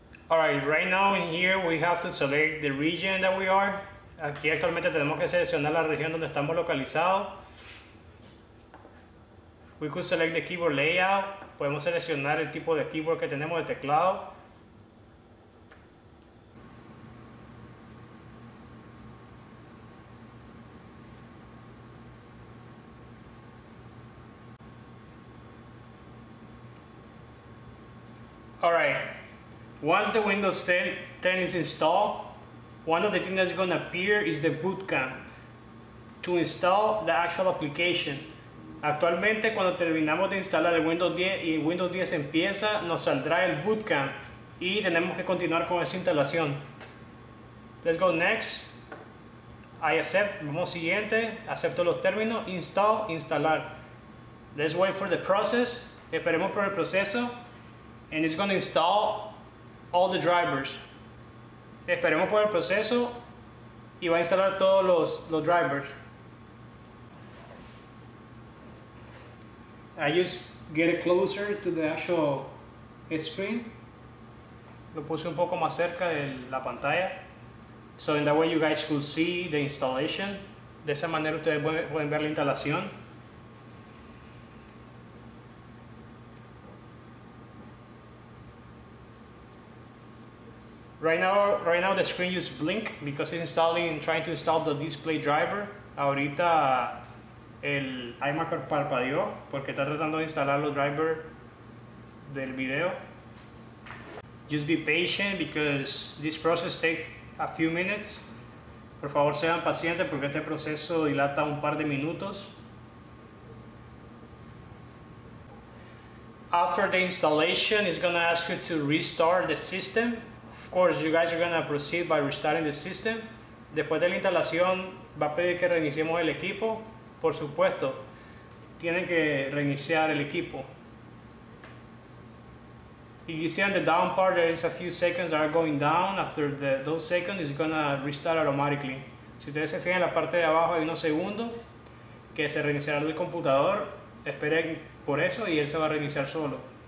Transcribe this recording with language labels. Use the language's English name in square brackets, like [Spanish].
[English] Alright, right now in here we have to select the region that we are. [Spanish] Aquí actualmente tenemos que seleccionar la región donde estamos localizados. [English] We could select the keyboard layout. [Spanish] Podemos seleccionar el tipo de keyboard que tenemos de teclado. [English] All right, once the Windows 10 is installed, one of the things that's gonna appear is the boot camp to install the actual application. [Spanish] Actualmente, cuando terminamos de instalar el Windows 10 y Windows 10 empieza, nos saldrá el boot camp y tenemos que continuar con esa instalación. [English] Let's go next. I accept, [Spanish] vamos siguiente, acepto los términos, install, instalar. [English] Let's wait for the process, [Spanish] esperemos por el proceso. [English] And it's gonna install all the drivers. [Spanish] Esperemos por el proceso y va a instalar todos los drivers. [English] I just get it closer to the actual screen. [Spanish] Lo puse un poco más cerca de la pantalla. [English] So in that way you guys could see the installation. [Spanish] De esa manera ustedes pueden ver la instalación. [English] Right now the screen just blink because it's installing, trying to install the display driver. [Spanish] Ahorita el iMac parpadeó porque está tratando de instalar los driver del video. [English] Just be patient because this process takes a few minutes. [Spanish] Por favor sean pacientes porque este proceso dilata un par de minutos. [English] After the installation, it's gonna ask you to restart the system. Of course, you guys are gonna proceed by restarting the system. [Spanish] Después de la instalación, va a pedir que reiniciemos el equipo. Por supuesto, tienen que reiniciar el equipo. [English] If you see on the down part, there is a few seconds that are going down. After those seconds, it's gonna restart automatically. [Spanish] Si ustedes se fijan en la parte de abajo, hay unos segundos que se reiniciará el computador. Esperen por eso y él se va a reiniciar solo.